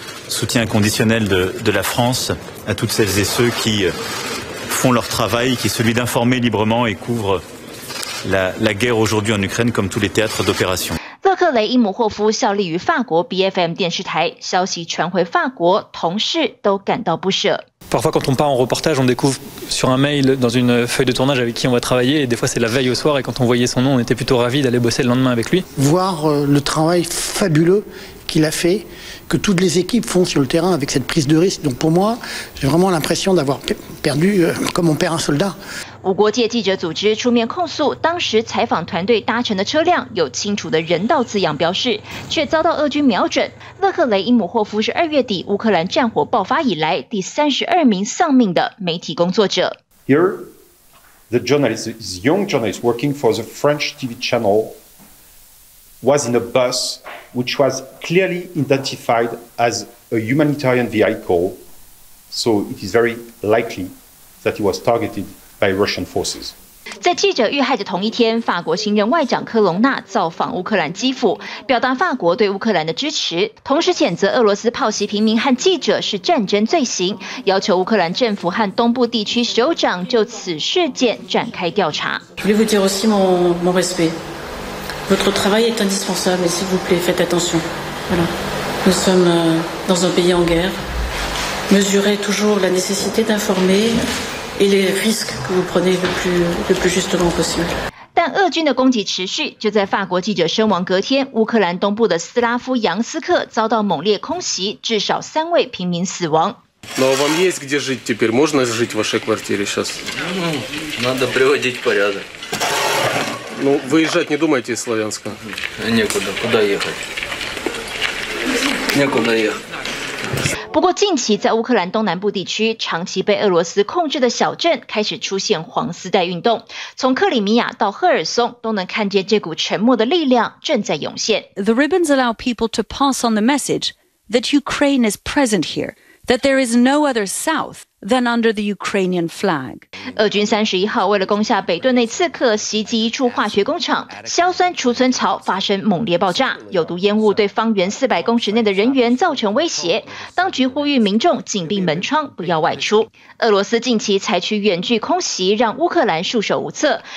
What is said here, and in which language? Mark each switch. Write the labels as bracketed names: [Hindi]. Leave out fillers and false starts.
[French] Soutien inconditionnel de la France à toutes celles et ceux qui font leur travail, qui est celui d'informer librement et couvre la guerre aujourd'hui en Ukraine comme tous les théâtres d'opération. [Chinese] 勒克雷伊姆霍夫效力于法国 BFM 电视台，消息传回法国，同事都感到不舍。 [French] Parfois, quand on part en reportage, on découvre sur un mail, dans une feuille de tournage avec qui on va travailler, et des fois c'est la veille au soir, et quand on voyait son nom, on était plutôt ravis d'aller bosser le lendemain avec lui. Voir le travail fabuleux qu'il a fait, que toutes les équipes font sur le terrain avec cette prise de risque. Donc pour moi, j'ai vraiment l'impression d'avoir perdu comme on perd un soldat. [Chinese] 无国界记者组织出面控诉，当时采访团队搭乘的车辆有清楚的人道字样标示，却遭到俄军瞄准。勒克雷伊姆霍夫是2月底乌克兰战火爆发以来第32名丧命的媒体工作者。 [English] Here, the journalist, young journalist working for the French TV channel, was in a bus which was clearly identified as a humanitarian vehicle, so it is very likely that he was targeted. By Russian forces. [Chinese] 在记者遇害的同一天，法国新任外长科隆纳造访乌克兰基辅，表达法国对乌克兰的支持，同时谴责俄罗斯炮袭平民和记者是战争罪行，要求乌克兰政府和东部地区首长就此事件展开调查。 [French] Je voulais vous dire aussi mon respect. Votre travail est indispensable, mais s'il vous plaît, faites attention. Voilà. Nous sommes dans un pays en guerre. Mesurez toujours la nécessité d'informer. Et les risques que vous prenez le plus justement possible. [Chinese] 但俄军的攻击持续，就在法国记者身亡隔天，乌克兰东部的斯拉夫扬斯克遭到猛烈空袭，至少3位平民死亡。 [Russian] Но вам есть где жить теперь? Можно жить в вашей квартире сейчас? Надо приводить порядок. Ну, выезжать не думайте из Славянска. Некуда. Куда ехать? Некуда ехать. [Chinese] 不过近期在乌克兰东南部地区长期被俄罗斯控制的小镇开始出现黄丝带运动，从克里米亚到赫尔松都能看见这股沉默的力量正在涌现。 [English] The ribbons allow people to pass on the message that Ukraine is present here, that there is no other southThen under the Ukrainian flag. [Chinese] 俄军31号为了攻下北顿内茨克，袭击一处化学工厂，硝酸储存槽发生猛烈爆炸，有毒烟雾对方圆400公尺内的人员造成威胁。当局呼吁民众紧闭门窗，不要外出。俄罗斯近期采取远距空袭，让乌克兰束手无策。